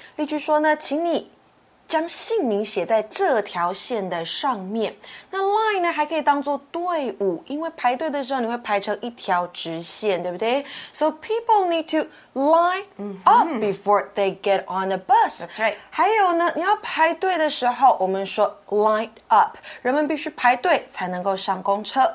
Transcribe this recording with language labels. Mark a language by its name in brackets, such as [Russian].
[Chinese] 例句说呢，请你将姓名写在这条线的上面。那 line 呢，还可以当作队伍，因为排队的时候你会排成一条直线，对不对？ [English] So people need to line up before they get on a bus. That's right. [Chinese] 还有呢，你要排队的时候，我们说 line up， 人们必须排队才能够上公车。